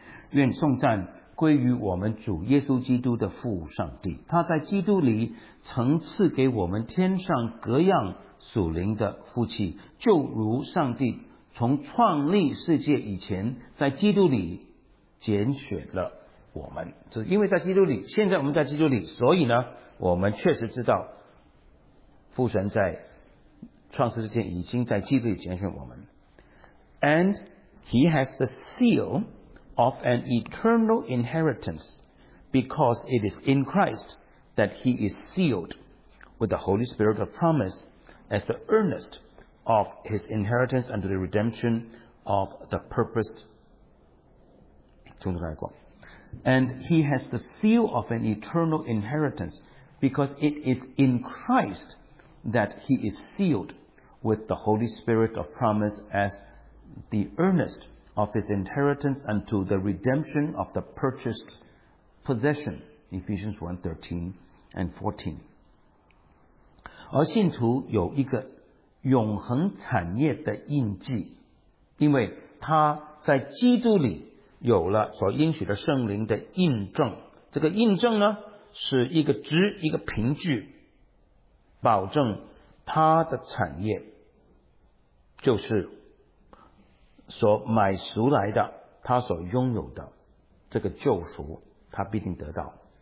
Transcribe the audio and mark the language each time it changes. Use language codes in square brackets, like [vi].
[zh] 愿颂赞归于我们主耶稣基督的父上帝，他在基督里曾赐给我们天上各样属灵的福气，就如上帝从创立世界以前在基督里拣选了我们。是因为在基督里，现在我们在基督里，所以呢我们确实知道父神在创世之前已经在基督里拣选我们。 [en] And he has the seal of an eternal inheritance because it is in Christ that he is sealed with the Holy Spirit of promise as the earnest of his inheritance unto the redemption of the purposed. [zh] 从头来过。 [en] And he has the seal of an eternal inheritance because it is in Christ that he is sealed with the Holy Spirit of promise as the earnest of his inheritance unto the redemption of the purchased possession. Ephesians 1, 13 and 14. [zh] 而信徒有一个永恒产业的印记，因为他在基督里有了所应许的圣灵的印证。这个印证呢，是一个值一个凭据，保证他的产业就是所买赎来的，他所拥有的这个救赎，他必定得到。